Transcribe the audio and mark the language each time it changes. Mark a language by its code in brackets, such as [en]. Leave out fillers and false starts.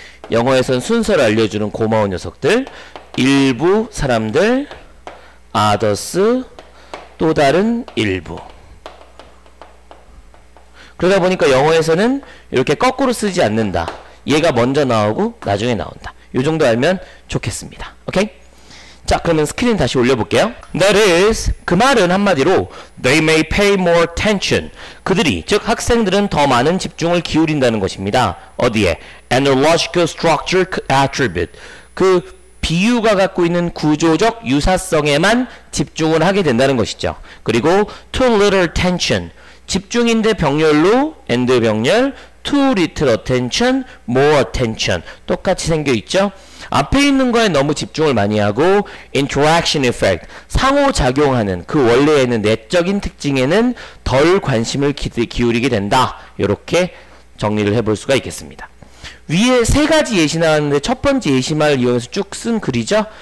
[ko] 영어에선 순서를 알려주는 고마운 녀석들. 일부 사람들, others, 또 다른 일부. 그러다 보니까 영어에서는 이렇게 거꾸로 쓰지 않는다. 얘가 먼저 나오고 나중에 나온다. 요 정도 알면 좋겠습니다. 오케이? 자, 그러면 스크린 다시 올려볼게요. [en] That is, [ko] 그 말은 한마디로 [en] they may pay more attention. [ko] 그들이, 즉 학생들은 더 많은 집중을 기울인다는 것입니다. 어디에? [en] And a logical structure attribute. [ko] 그 비유가 갖고 있는 구조적 유사성에만 집중을 하게 된다는 것이죠. 그리고 [en] too little attention, [ko] 집중인데 병렬로 and 병렬 too little attention, more attention 똑같이 생겨있죠. 앞에 있는 거에 너무 집중을 많이 하고 interaction effect, 상호작용하는 그 원래에 있는 내적인 특징에는 덜 관심을 기울이게 된다. 이렇게 정리를 해볼 수가 있겠습니다. 위에 세 가지 예시 나왔는데 첫 번째 예시말을 이용해서 쭉 쓴 글이죠.